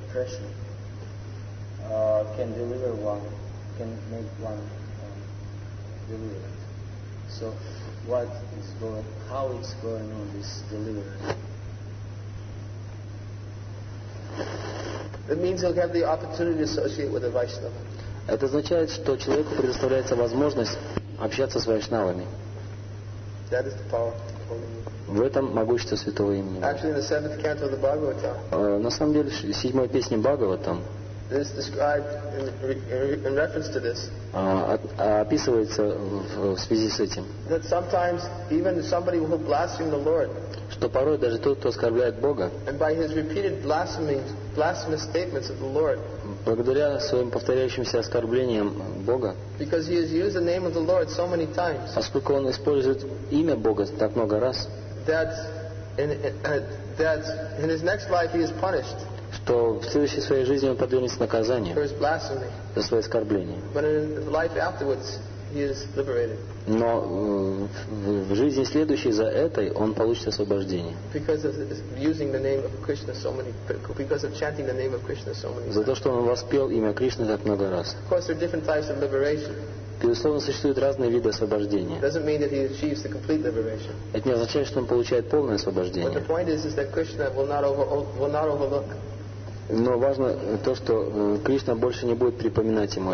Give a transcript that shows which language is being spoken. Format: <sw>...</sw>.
<en>Pressure. Can deliver one, can make one deliver. So, what is going, how is going on this deliverance? It means he'll have the opportunity to associate with a Vaishnava.</en> <ru>Это означает, что человеку предоставляется возможность общаться с вайшнавами.</ru> <en>That is the power of holy name.</en> <ru>В этом могущество святого имени.</ru> <en>Actually, in the seventh canto of the Bhagavatam.</en> <ru>На самом деле, седьмая песня Бхагаватам.</ru> <en>This described in reference to this.</en> <ru>Описывается в связи с этим.</ru> <en>That sometimes even somebody who blasphemes the Lord.</en> <ru>Что порой даже тот, кто оскорбляет Бога.</ru> <en>And by his repeated blasphemous statements of the Lord.</en> <ru>Благодаря своим повторяющимся оскорблениям Бога.</ru> <en>Because he has used the name of the Lord so many times.</en> <ru>Поскольку он использует имя Бога так много раз.</ru> <en>That in his next life he is punished.</en> <ru>Что в следующей своей жизни он подвергнется наказанию за свои оскорбления.</ru> <en>But in life afterwards he is liberated.</en> <ru>Но в жизни следующей за этой он получит освобождение.</ru> <en>Because of using the name of Krishna so many, because of chanting the name of Krishna so many.</en> <ru>За то, что он воспел имя Кришны так много раз.</ru> <en>Of course, there are different types of liberation.</en> <ru>Безусловно, существуют разные виды освобождения.</ru> <en>Doesn't mean that he achieves the complete liberation.</en> <ru>Это не означает, что он получает полное освобождение.</ru> <en>But the point is that Krishna will not overlook.</en> <ru>Но важно то, что Кришна больше не будет припоминать ему</ru>